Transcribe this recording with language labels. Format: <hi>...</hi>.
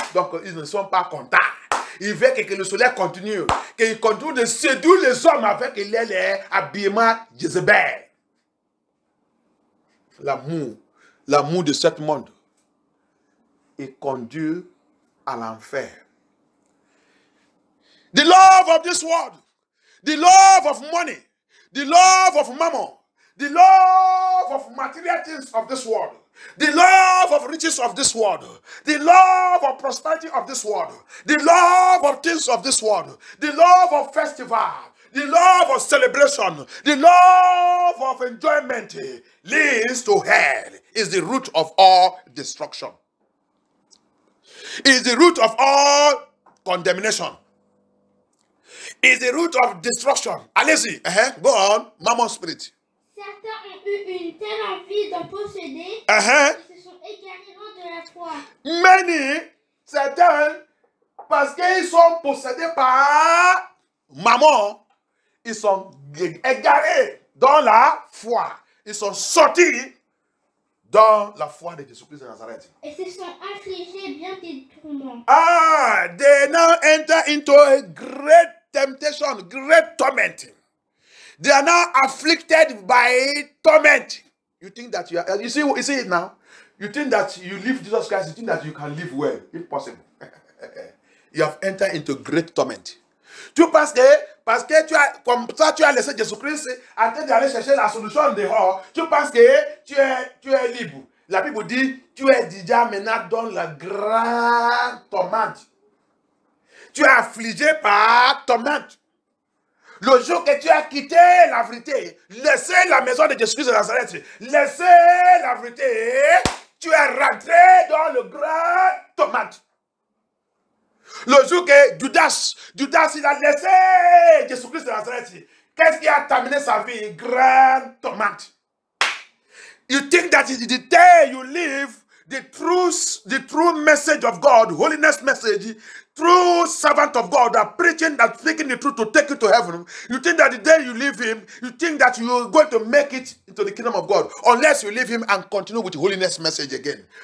<fr>Donc ils ne sont pas contents. Il veut que le soleil continue, qu'il continue de séduire les hommes avec les habillements Jézabel. L'amour de ce monde est conduit à l'enfer.</fr> <en>The love of this world, the love of money, the love of mammon, the love of material things of this world, the love of riches of this world, the love of prosperity of this world, the love of things of this world, the love of festival, the love of celebration, the love of enjoyment leads to hell, is the root of all destruction, is the root of all condemnation, is the root of destruction.</en> <fr>Allez-y,</fr> <en>go on, mammon spirit.</en> <fr>Certains ont eu une telle envie de posséder qu'ils se sont égarés de la foi. Many, certains, parce qu'ils sont possédés par mammon, ils sont égarés dans la foi. Ils sont sortis dans la foi de Jésus-Christ de Nazareth. Et se sont infligés bien des tourments.</fr> <en>Ah, they now enter into a great temptation, great torment. They are now afflicted by torment. You think that you see it now? You think that you leave Jesus Christ, you think that you can live well, if possible. You have entered into great torment.</en> <fr>Tu penses que, parce que tu as, comme ça tu as laissé Jésus-Christ, en train d'aller chercher la solution dehors, tu penses que tu es libre. La Bible dit, tu es déjà maintenant dans la grande torment. Tu es affligé par torment. Le jour que tu as quitté la vérité, laissé la maison de Jésus de Nazareth, laissé la vérité, tu es rentré dans le grand tomate. Le jour que Judas, il a laissé Jésus Christ de Nazareth, qu'est-ce qui a terminé sa vie? Grand tomate.</fr> <en>You think that is the day you live the true message of God, holiness message, true servant of God, that preaching, that speaking the truth to take you to heaven. You think that the day you leave him, you think that you are going to make it into the kingdom of God, unless you leave him and continue with the holiness message again.</en>